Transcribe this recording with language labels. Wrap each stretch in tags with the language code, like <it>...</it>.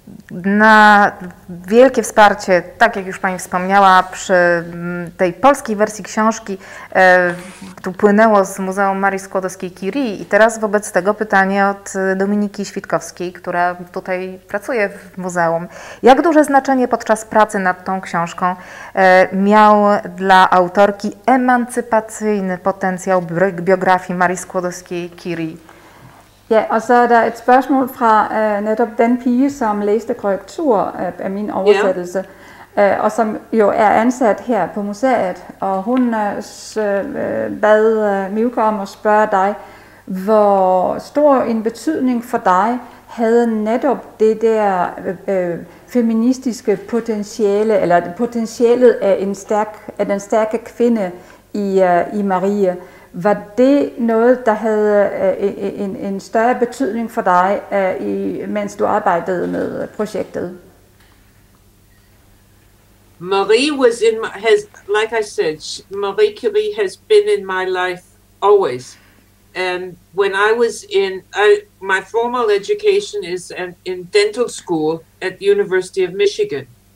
<pl>Na wielkie wsparcie, tak jak już Pani wspomniała, przy tej polskiej wersji książki tu płynęło z Muzeum Marii Skłodowskiej-Curie i teraz wobec tego pytanie od Dominiki Świtkowskiej, która tutaj pracuje w muzeum. Jak duże znaczenie podczas pracy nad tą książką miał dla autorki emancypacyjny potencjał biografii Marii Skłodowskiej-Curie?</pl> <da>Ja, og så er der et spørgsmål fra netop den pige, som læste korrektur af min oversættelse, yeah. Og som jo er ansat her på museet, og hun bad Mivka om at spørge dig, hvor stor en betydning for dig havde netop det der feministiske potentiale, eller potentialet af den stærke kvinde i Marie. Var det noget, der havde en større betydning for dig, mens du arbejdede med projektet?</da> <en>Marie was in my, has, like I said, Marie Curie has been in my life always. And when I was my formal education is in dental school at the University of Michigan.</en>